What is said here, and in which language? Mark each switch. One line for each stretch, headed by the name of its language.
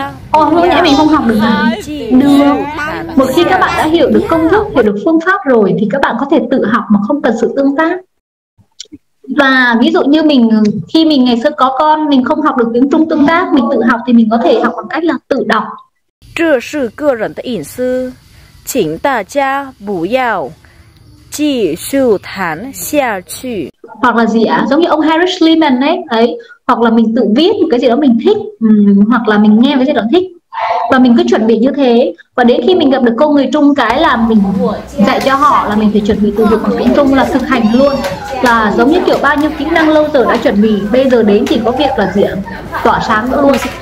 Vietnamese: Ồ, không nhẽ mình không học được hả? Được. Một khi các bạn đã hiểu được công thức, hiểu được phương pháp rồi thì các bạn có thể tự học mà không cần sự tương tác. Và ví dụ như mình, khi mình ngày xưa có con, mình không học được tiếng Trung tương tác, mình tự học thì mình có thể học bằng cách là tự đọc.
Chinese: 这是个人的隐私, 请大家不要 继续谈下去.
Vietnamese: Hoặc là gì ạ? Giống như ông Harry Schliemann ấy, ấy. Hoặc là mình tự viết một cái gì đó mình thích, hoặc là mình nghe cái gì đó thích. Và mình cứ chuẩn bị như thế. Và đến khi mình gặp được cô người Trung cái là mình dạy cho họ là mình phải chuẩn bị từ vựng của tiếng Trung là thực hành luôn. Và giống như kiểu bao nhiêu kỹ năng lâu giờ đã chuẩn bị, bây giờ đến chỉ có việc là gì ạ? Tỏa sáng nữa luôn.